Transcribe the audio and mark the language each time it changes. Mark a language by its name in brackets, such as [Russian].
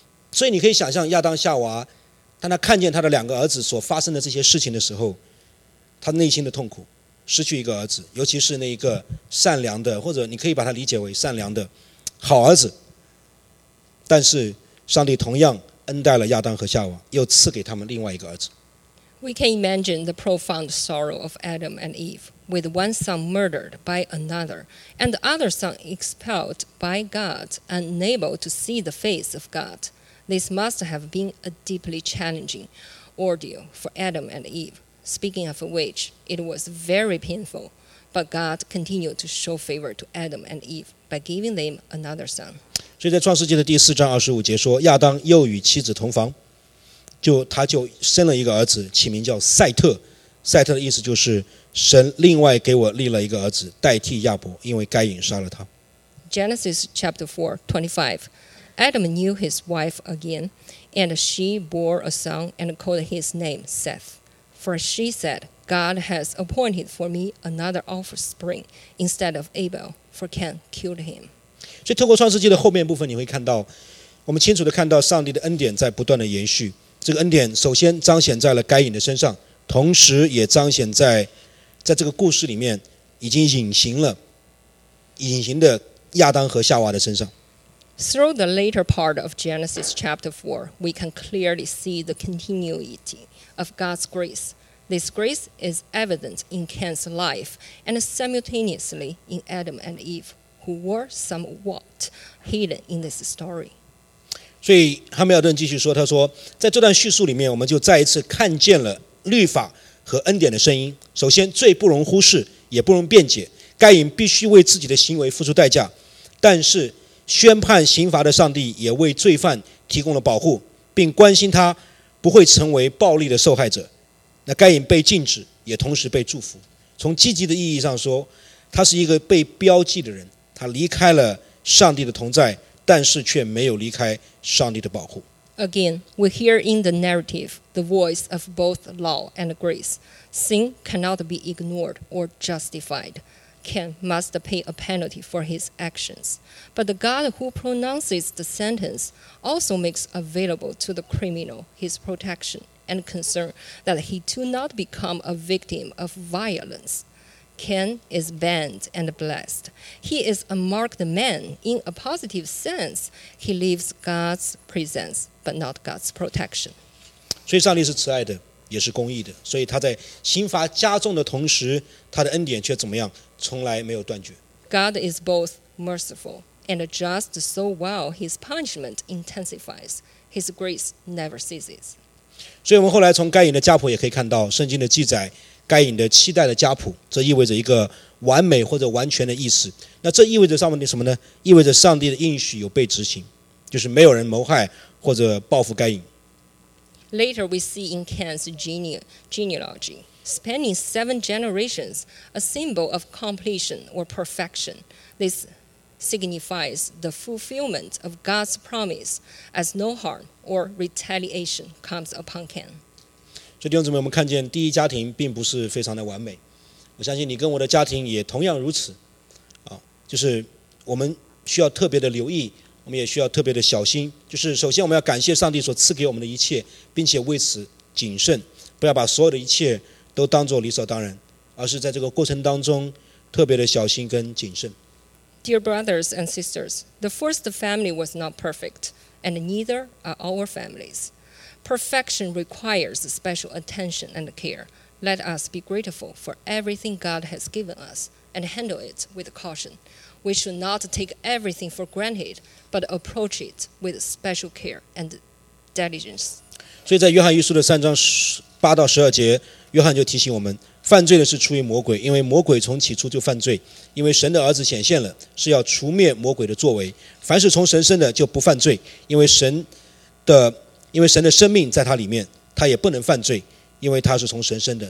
[Chinese] 所以你可以想象亚当夏娃当他看见他的两个儿子所发生的这些事情的时候，他内心的痛苦，失去一个儿子，尤其是那一个善良的，或者你可以把他理解为善良的好儿子，但是上帝同样恩待了亚当和夏娃，又赐给他们另外一个儿子。 [English] We can imagine the profound sorrow of Adam and Eve, with one son murdered by another, and the other son expelled by God, unable to see the face of God. This must have been a deeply challenging ordeal for Adam and Eve, speaking of which, it was very painful, but God continued to show favor to Adam and Eve by giving them another son. [Chinese] 所以在创世纪的第四章二十五节说，亚当又与妻子同房。就他就生了一个儿子，起名叫赛特。赛特的意思就是神另外给我立了一个儿子代替亚伯，因为该隐杀了他。 [English] Genesis chapter 4:25, Adam knew his wife again, and she bore a son and called his name Seth. For she said, God has appointed for me another offspring instead of Abel, for Cain killed him. [Chinese] 所以透过创世纪的后面部分，你会看到，我们清楚地看到上帝的恩典在不断地延续。这个恩典首先彰显在了该隐的身上，同时也彰显在这个故事里面已经隐形了隐形的亚当和夏娃的身上。 [English] Through the later part of Genesis chapter 4, we can clearly see the continuity of God's grace. This grace is evident in Cain's life and simultaneously in Adam and Eve, who were somewhat hidden in this story. [Chinese] 所以汉密尔顿继续说，他说在这段叙述里面，我们就再一次看见了律法和恩典的声音。首先，最不容忽视也不容辩解，该隐必须为自己的行为付出代价，但是宣判刑罚的上帝也为罪犯提供了保护，并关心他不会成为暴力的受害者。那该隐被禁止也同时被祝福。从积极的意义上说，他是一个被标记的人，他离开了上帝的同在，但是却没有离开上帝的保护。 [English] Again, we hear in the narrative the voice of both law and grace. Sin cannot be ignored or justified. Cain must pay a penalty for his actions. But the God who pronounces the sentence also makes available to the criminal his protection and concern that he do not become a victim of violence. Cain is banned and blessed. He is a marked man in a positive sense. He lives God's presence, but not God's protection. [Chinese] 所以上帝是慈爱的，也是公义的。所以他在刑罚加重的同时，他的恩典却怎么样？从来没有断绝。 [English] God is both merciful and just, so while his punishment intensifies, his grace never ceases. [Chinese] 所以我们后来从该隐的家谱也可以看到圣经的记载。该隐的期待的家谱，这意味着一个完美或者完全的意思。那这意味着上面的什么呢？意味着上帝的应许有被执行，就是没有人谋害或者报复该隐。 [English] Later we see in Cain's genealogy, spanning seven generations, a symbol of completion or perfection. This signifies the fulfillment of God's promise, as no harm or retaliation comes upon Cain. [Chinese] 所以弟兄姊妹，我们看见第一家庭并不是非常的完美，我相信你跟我的家庭也同样如此，就是我们需要特别的留意，我们也需要特别的小心，就是首先我们要感谢上帝所赐给我们的一切，并且为此谨慎，不要把所有的一切都当作理所当然，而是在这个过程当中特别的小心跟谨慎。 [English] Dear brothers and sisters, the first family was not perfect, and neither are our families. Perfection requires special attention and care. Let us be grateful for everything God has given us and handle it with caution. We should not take everything for granted, but approach it with special care and diligence. [Chinese] 所以在约翰一书的三章八到十二节，约翰就提醒我们，犯罪的是出于魔鬼，因为魔鬼从起初就犯罪。因为神的儿子显现了，是要除灭魔鬼的作为。凡是从神生的就不犯罪，因为神的生命在他里面，他也不能犯罪，因为他是从神生的。